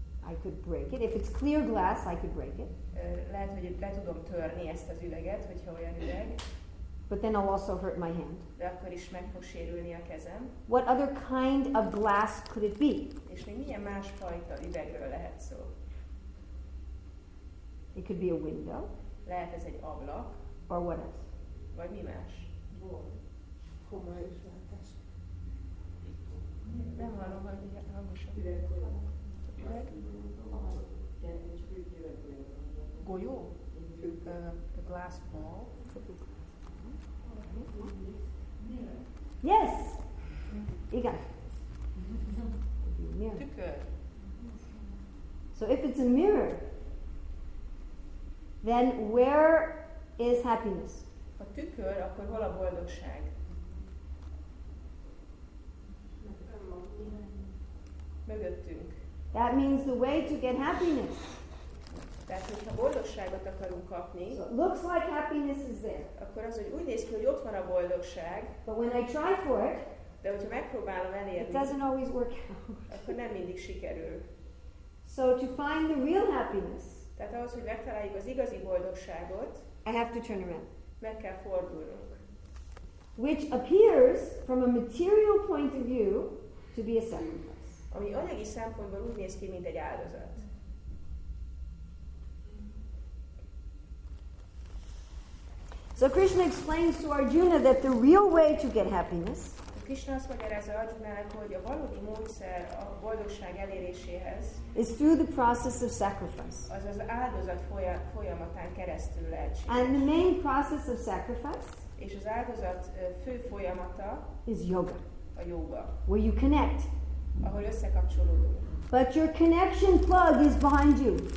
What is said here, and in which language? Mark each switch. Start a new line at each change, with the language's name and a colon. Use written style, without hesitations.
English: I could break it. If it's clear glass, I could break it.
Hungarian: Lehet, hogy le tudom törni ezt az üveget, hogyha olyan üveg.
English: But then I'll also hurt my hand.
Hungarian: De akkor is meg fog sérülni a kezem.
English: What other kind of glass could it be?
Hungarian: És még milyen más fajta üvegről lehet szó?
English: It could be a window.
Hungarian: Lehet ez egy ablak.
English: Or what else?
Hungarian: Vagy mi más? Nem hallom, hogy hangosan.
English: Goyo, the glass ball. Yes.
Hungarian: Igen.
English: Mirror.
Hungarian: Tükör.
English: So if it's a mirror, then where is happiness?
Hungarian: A tükör, akkor hol a boldogság? Mögöttünk.
English: That means the way to get happiness.
Hungarian: Tehát, hogyha boldogságot akarunk kapni,
English: so it looks like happiness is there.
Hungarian: Akkor az, hogy úgy néz ki, hogy ott van a boldogság.
English: But when I try for it,
Hungarian: de hogyha megpróbálom elérni,
English: it doesn't always work out.
Hungarian: Akkor nem mindig sikerül.
English: So to find the real happiness,
Hungarian: tehát ahhoz, hogy megtaláljuk az igazi boldogságot,
English: I have to turn around.
Hungarian: Meg kell fordulnunk.
English: Which appears from a material point of view to be a sacrifice.
Hungarian: Ami anyagi szempontból úgy néz ki, mint egy áldozat.
English: So Krishna explains to Arjuna that the real way to get happiness,
Hungarian: Krishna azt magyarázza Arjunának, hogy a valódi módszer a boldogság eléréséhez
English: is through the process of sacrifice.
Hungarian: Az az áldozat folyamatán keresztül lehetséges.
English: And the main process of sacrifice,
Hungarian: és az áldozat fő folyamata
English: is yoga.
Hungarian: A yoga.
English: Where you connect.
Hungarian: Ahol összekapcsolódunk.
English: But your connection plug is behind you.